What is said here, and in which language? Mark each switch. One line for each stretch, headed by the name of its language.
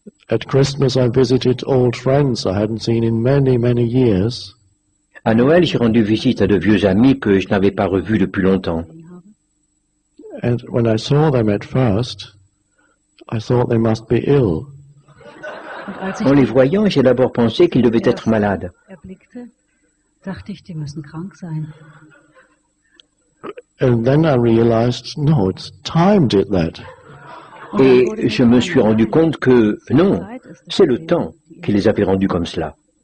English: At Christmas, I visited old friends I hadn't seen in many, many years.
French: À Noël, j'ai rendu visite à de vieux amis que je n'avais pas revus depuis longtemps.
English: And when I saw them at first, I thought they must be ill.
French: En les voyant, j'ai d'abord pensé qu'ils devaient être malades.
German: Dachte ich, die müssen krank sein.
English: And then I realized, no, it's time did that.
French: Et je me suis rendu compte que, non, c'est le temps qui les avait rendus comme cela.